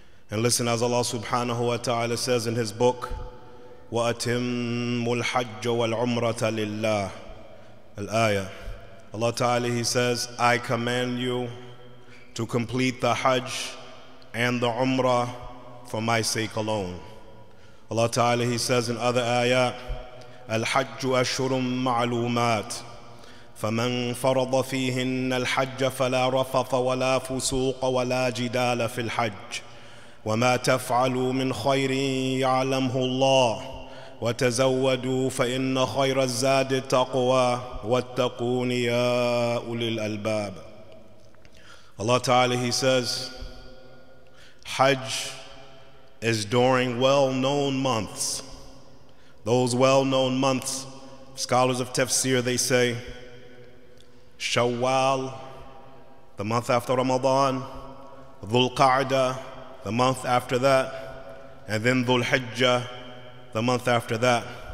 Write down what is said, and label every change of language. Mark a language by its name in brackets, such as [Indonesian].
[English] And listen as Allah subhanahu wa ta'ala says in his book, [Arabic] وَأَتِمُّ الْحَجَّ وَالْعُمْرَةَ لِلَّهِ الْآيَةِ. [English] Allah Ta'ala, He says, I command you to complete the Hajj and the Umrah for my sake alone. Allah Ta'ala, He says in other ayat, [Arabic] الحج أشهر معلومات فمن فرض فيهن الحج فلا رفث ولا فسوق ولا جدال في الحج وما تفعلوا من خير يعلمه الله وتزودوا فإن خير الزاد التقوى واتقون يا أولي الألباب. [English] Allah Ta'ala, He says, Hajj is during well-known months. Those well-known months, scholars of tafsir, they say, Shawwal, the month after Ramadan, Dhul-Qa'dah, the month after that, and then Dhul-Hijjah, the month after that.